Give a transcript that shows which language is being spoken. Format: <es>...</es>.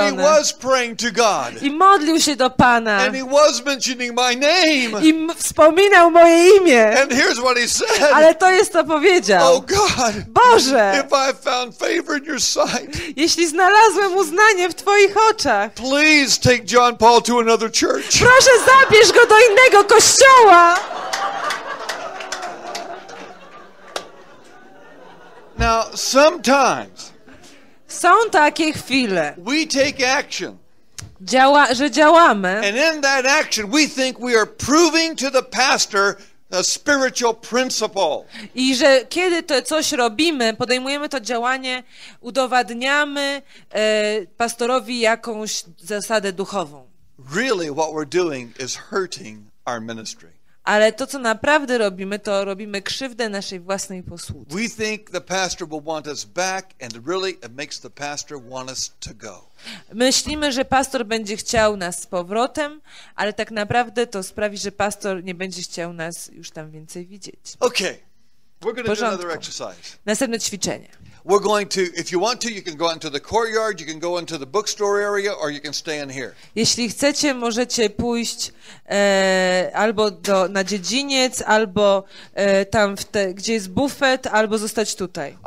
<en>And he was praying to God.</en> <pl>I modlił się do Pana.</pl> <en>And he was mentioning my name.</en> <pl>I wspominał moje imię.</pl> <en>And here's what he said.</en> <pl>Ale to jest to powiedział.</pl> <en>Oh God.</en> <pl>Boże.</pl> <en>If I found favor in your sight.</en> <pl>Jeśli znalazłem uznanie w twoich oczach.</pl> <en>Please take John Paul to another church.</en> <pl>Proszę zabierz go do innego kościoła.</pl> <en>Now sometimes.</en> <pl>Są takie chwile.</pl> <en>We take action.</en> <pl>Że działamy.</pl> <en>And in that action we think we are proving to the pastor a spiritual principle.</en> <pl>I że kiedy to coś robimy, podejmujemy to działanie, udowadniamy pastorowi jakąś zasadę duchową.</pl> <en>Really what we're doing is hurting our ministry.</en> <pl>Ale to, co naprawdę robimy, to robimy krzywdę naszej własnej posłudze.</pl> <en>We think the pastor will want us back, and really it makes the pastor want us to go.</en> <pl>Myślimy, że pastor będzie chciał nas z powrotem, ale tak naprawdę to sprawi, że pastor nie będzie chciał nas już tam więcej widzieć.</pl> <en>Okay. We're going to do another exercise.</en> <pl>Następne ćwiczenie.</pl> <en>We're going to, if you want to, you can go into the courtyard, you can go into the bookstore area, or you can stay in here.</en> <pl>Jeśli chcecie, możecie pójść albo do, na dziedziniec, albo tam, w te, gdzie jest bufet, albo zostać tutaj.</pl>